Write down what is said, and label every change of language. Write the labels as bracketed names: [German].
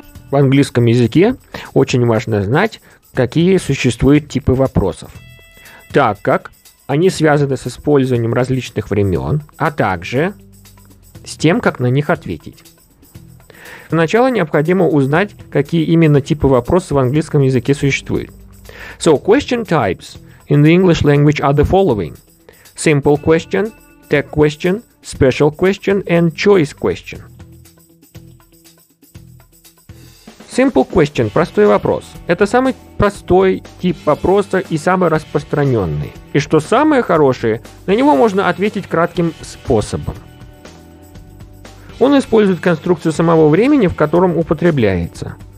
[Russian] английском языке очень важно знать, какие существуют типы вопросов, так как они связаны с использованием различных времен, а также с тем, как на них ответить. Сначала необходимо узнать, какие именно типы вопросов в английском языке существуют. [English] So, question types in the English language are the following. Simple question, tag question, special question and choice question. Simple question [Russian] – простой вопрос. Это самый простой тип вопроса и самый распространенный. И что самое хорошее, на него можно ответить кратким способом. Он использует конструкцию самого времени, в котором употребляется.